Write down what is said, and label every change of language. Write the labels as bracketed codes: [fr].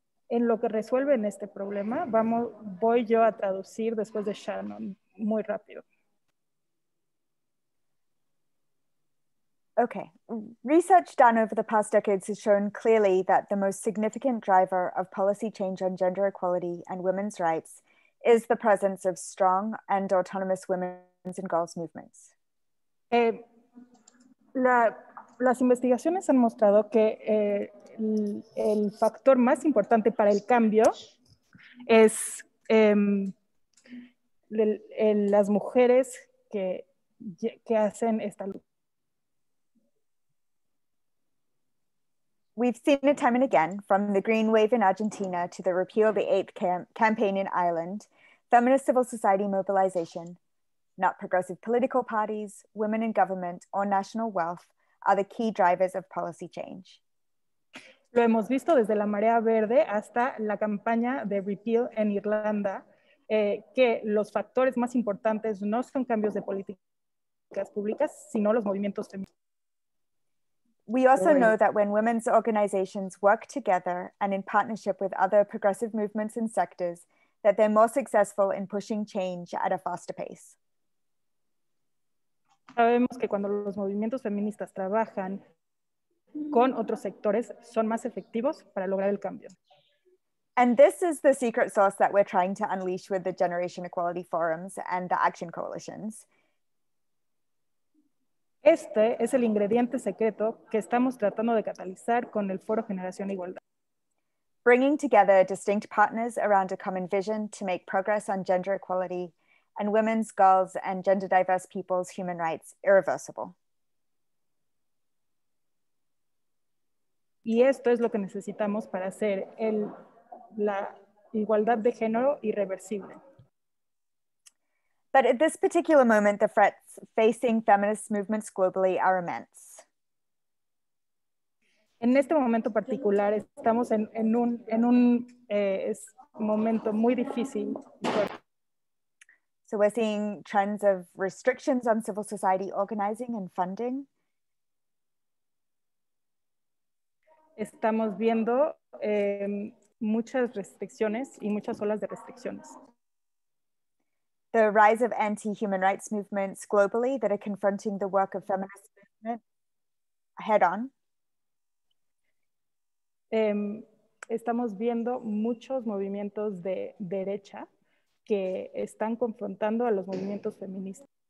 [es] En lo que resuelven este problema, vamos, voy yo a traducir después de Shannon, muy rápido. [en] Okay. Research done over the past decades has shown clearly that the most significant driver of policy change on gender equality and women's rights is the presence of strong and autonomous women's and girls' movements. [es] Las investigaciones han mostrado que el factor más importante para el cambio es las mujeres que hacen esta lucha. [en] We've seen it time and again, from the Green Wave in Argentina to the Repeal the Eighth campaign in Ireland, feminist civil society mobilization, not progressive political parties, women in government, or national wealth, are the key drivers of policy change. [es] Lo hemos visto desde la Marea Verde hasta la campaña de Repeal en Irlanda, que los factores más importantes no son cambios de políticas públicas, sino los movimientos feministas. [en] We also know that when women's organizations work together and in partnership with other progressive movements and sectors, that they're more successful in pushing change at a faster pace. [es] Sabemos que cuando los movimientos feministas trabajan con otros sectores, son más efectivos para lograr el cambio. [en] And this is the secret sauce that we're trying to unleash with the Generation Equality Forums and the Action Coalitions. [es] Este es el ingrediente secreto que estamos tratando de catalizar con el Foro Generación Igualdad. [en] Bringing together distinct partners around a common vision to make progress on gender equality and women's, girls, and gender diverse people's human rights irreversible. [es] Y esto es lo que necesitamos para hacer la igualdad de género irreversible. [en] But at this particular moment, the threats facing feminist movements globally are immense. [es] En este momento particular, estamos en un momento muy difícil. [en] So we're seeing trends of restrictions on civil society organizing and funding. [es] Estamos viendo muchas restricciones y muchas olas de restricciones. [en] The rise of anti-human rights movements globally that are confronting the work of feminist movement head on. [es] Estamos viendo muchos movimientos de derecha que están confrontando a los movimientos feministas.